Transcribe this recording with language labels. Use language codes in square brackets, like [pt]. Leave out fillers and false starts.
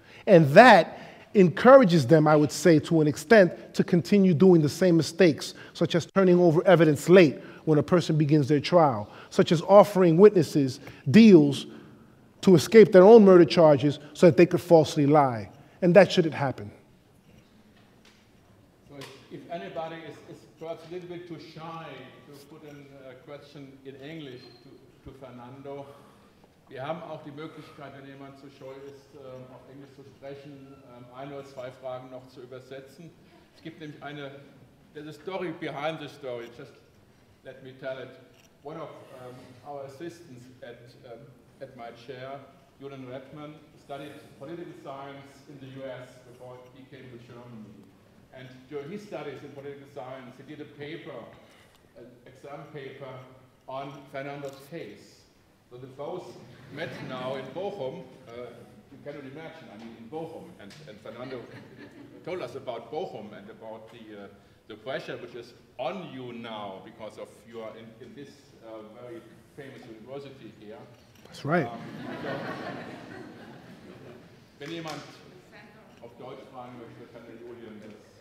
[en] And that encourages them, I would say, to an extent, to continue doing the same mistakes, such as turning over evidence late when a person begins their trial, such as offering witnesses deals to escape their own murder charges so that they could falsely lie. And that shouldn't happen. If anybody is perhaps a little bit too shy to put in a question in English to Fernando, [de] wir haben auch die Möglichkeit, wenn jemand zu scheu ist, auf Englisch zu sprechen, ein oder zwei Fragen noch zu übersetzen. Es gibt nämlich eine, [en] there's a story behind the story, just let me tell it. One of our assistants at my chair, Julian Redman, studied political science in the US before he came to Germany. And during his studies in political science, he did a paper, an exam paper, on Fernando's case. So they both met now in Bochum. You cannot imagine, I mean, in Bochum. And Fernando told us about Bochum and about the pressure which is on you now because of you are in this very famous university here. That's right. [de] Wenn jemand auf Deutsch fragen möchte, kann der Julian das.